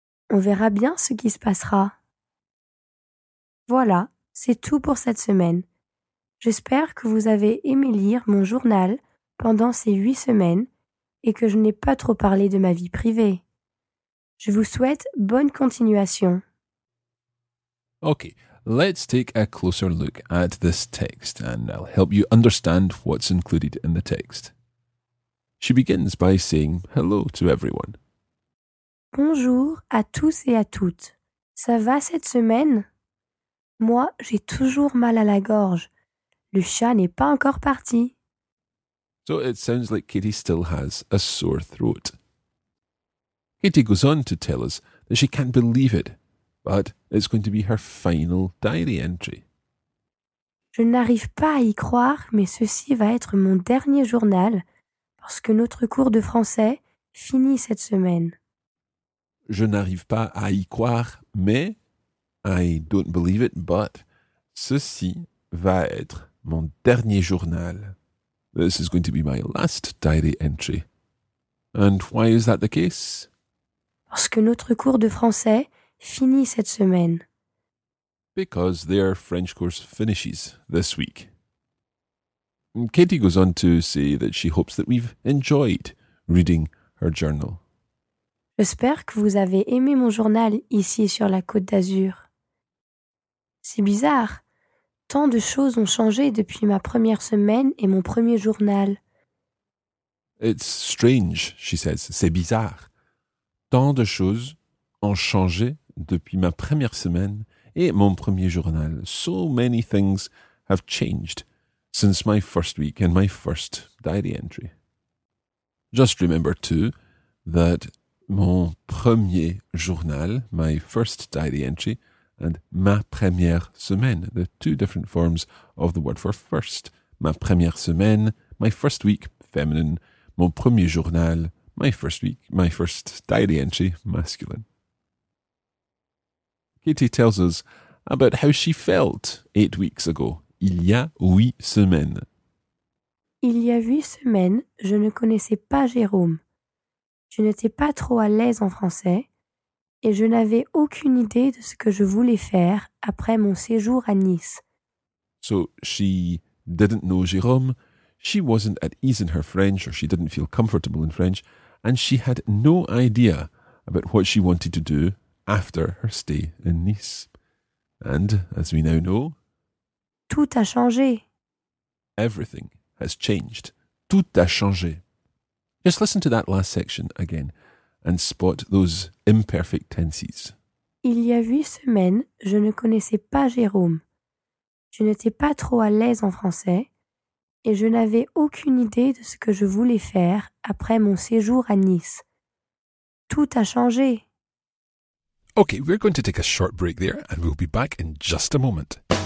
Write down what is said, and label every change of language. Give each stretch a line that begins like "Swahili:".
French: On verra bien ce qui se passera. Voilà, c'est tout pour cette semaine. J'espère que vous avez aimé lire mon journal pendant ces 8 semaines et que je n'ai pas trop parlé de ma vie privée. Je vous souhaite bonne continuation.
English: Ok, Let's take a closer look at this text and I'll help you understand what's included in the text. She begins by saying hello to everyone.
French: Bonjour à tous et à toutes. Ça va cette semaine? Moi, j'ai toujours mal à la gorge. Le chat n'est pas encore parti.
English: So it sounds like Katie still has a sore throat. Katie goes on to tell us that she can't believe it, but it's going to be her final diary entry.
French: Je n'arrive pas à y croire, mais ceci va être mon dernier journal parce que notre cours de français finit cette semaine. Je n'arrive pas à y croire, mais
English: I don't believe it, but
French: ceci va être mon dernier journal.
English: This is going to be my last diary entry. And why is that the case?
French: Parce que notre cours de français finit cette semaine.
English: Because their French course finishes this week. Katie goes on to say that she hopes that we've enjoyed reading her journal.
French: J'espère que vous avez aimé mon journal ici sur la Côte d'Azur. C'est bizarre. Tant de choses ont changé depuis ma première semaine et mon premier journal.
English: It's strange, she says.
French: C'est bizarre. Tant de choses ont changé depuis ma première semaine et mon premier journal.
English: So many things have changed since my first week and my first diary entry. Just remember too that
French: mon premier journal,
English: my first diary entry, and
French: ma première semaine,
English: the two different forms of the word for first.
French: Ma première semaine,
English: my first week, feminine.
French: Mon premier journal,
English: my first week, my first diary entry, masculine. Katie tells us about how she felt 8 weeks ago,
French: il y a 8 semaines. Il y a 8 semaines, je ne connaissais pas Jérôme. Je n'étais pas trop à l'aise en français. Et je n'avais aucune idée de ce que je voulais faire après mon séjour à Nice.
English: So, she didn't know Jérôme, she wasn't at ease in her French, or she didn't feel comfortable in French, and she had no idea about what she wanted to do after her stay in Nice. And, as we now know...
French: Tout a changé.
English: Everything has changed.
French: Tout a changé.
English: Just listen to that last section again. And spot those imperfect tenses.
French: Il y a 8 semaines, je ne connaissais pas Jérôme. Je n'étais pas trop à l'aise en français et je n'avais aucune idée de ce que je voulais faire après mon séjour à Nice. Tout a changé.
English: Okay, we're going to take a short break there and we'll be back in just a moment.